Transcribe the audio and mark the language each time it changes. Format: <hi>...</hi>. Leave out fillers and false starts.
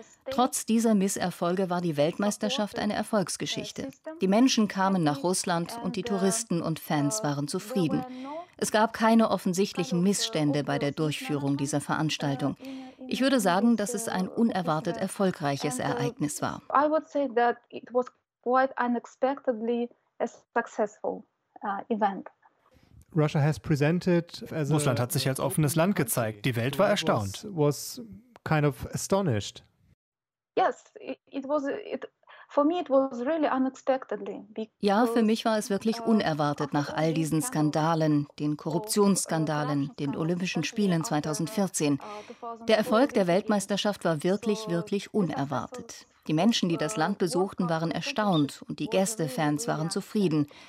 <de>Trotz dieser Misserfolge war die Weltmeisterschaft eine Erfolgsgeschichte. Die Menschen kamen nach Russland und die Touristen und Fans waren zufrieden. Es gab keine offensichtlichen Missstände bei der Durchführung dieser Veranstaltung. Ich würde sagen, dass es ein unerwartet erfolgreiches Ereignis war.</de> <en>I would say that it was quite unexpectedly a successful event. Russia has presented as</en> <de>Russland hat sich als offenes Land gezeigt. Die Welt war erstaunt.</de> <en>Was kind of astonished. Yes, it was for me it was really unexpectedly.</en> <de>Ja, für mich war es wirklich unerwartet nach all diesen Skandalen, den Korruptionsskandalen, den Olympischen Spielen 2014. Der Erfolg der Weltmeisterschaft war wirklich, wirklich unerwartet. Die Menschen, die das Land besuchten, waren erstaunt und die Gästefans waren zufrieden.</de>